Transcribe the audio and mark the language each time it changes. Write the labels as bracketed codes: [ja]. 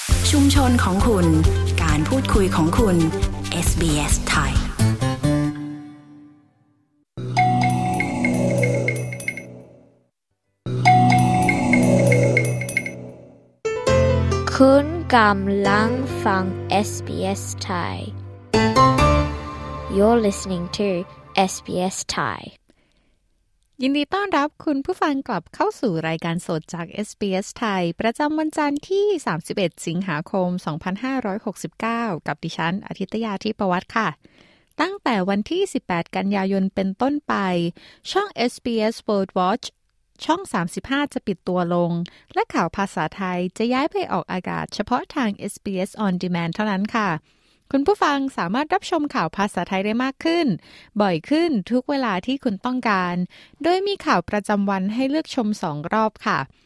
[th] ชุมชนของคุณการพูดคุยของคุณ SBS ไทย คุณกำลังฟัง SBS Thai. [en] You're listening to SBS Thai. [th] ยินดีต้อนรับคุณผู้ฟังกลับเข้าสู่รายการสดจาก SBS Thai ประจำวันจันทร์ที่31สิงหาคม2569กับดิฉันอทิตยาทิปวัตรค่ะตั้งแต่วันที่18กันยายนเป็นต้นไป ช่อง SBS World Watchช่อง35จะปิดตัวลงและข่าวภาษาไทยจะย้ายไปออกอากาศเฉพาะทาง SBS On Demand เท่านั้นค่ะคุณผู้ฟังสามารถรับชมข่าวภาษาไทยได้มากขึ้นบ่อยขึ้นทุกเวลาที่คุณต้องการโดยมีข่าวประจำวันให้เลือกชม2รอบค่ะ